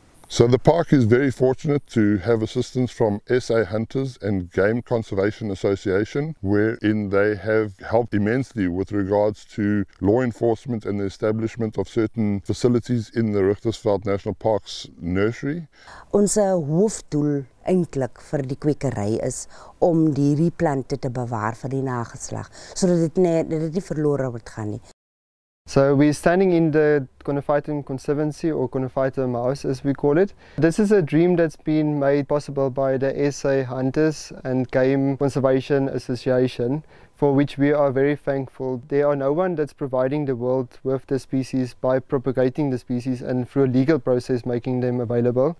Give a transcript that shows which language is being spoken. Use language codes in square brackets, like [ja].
[en] So the park is very fortunate to have assistance from SA Hunters and Game Conservation Association, wherein they have helped immensely with regards to law enforcement and the establishment of certain facilities in the Richtersveld National Park's nursery. [af] Onse hoofdoel eintlik vir die kwekery is om hierdie plante te bewaar vir die nageslag, sodat dit nie verlore word gaan nie. [en] So we're standing in the Conifitum Conservancy, or Conifitum House as we call it. This is a dream that's been made possible by the SA Hunters and Game Conservation Association, for which we are very thankful. There are no one that's providing the world with the species by propagating the species and through a legal process making them available.